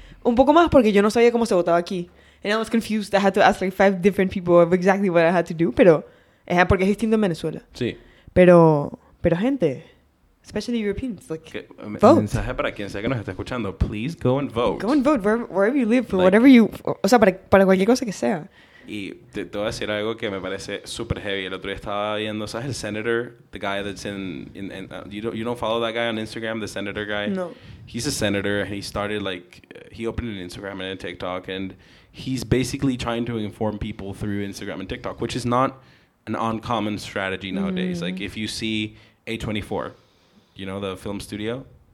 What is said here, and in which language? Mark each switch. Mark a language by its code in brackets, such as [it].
[es] Un poco más porque yo no sabía cómo se votaba aquí. [en] And I was confused. I had to ask, like, 5 different people of exactly what I had to do, pero es porque es distinto en Venezuela. [es] Sí. [en] Pero gente, especially Europeans, like, vote. [es] Mensaje para quien sea que nos está escuchando, please go and vote. [en] Go and vote wherever you live, for like, whatever you, o sea, para cualquier cosa que sea. [es] Y te voy a decir algo que me parece super heavy. El otro día estaba viendo, ¿sabes el senator? [en] The guy that's in you don't follow that guy on Instagram, the senator guy? No. He's a senator and he started like, he opened an Instagram and a TikTok and he's basically trying to inform people through Instagram and TikTok, which is not an uncommon strategy nowadays. Mm. Like, if you see A24, you know, the film studio?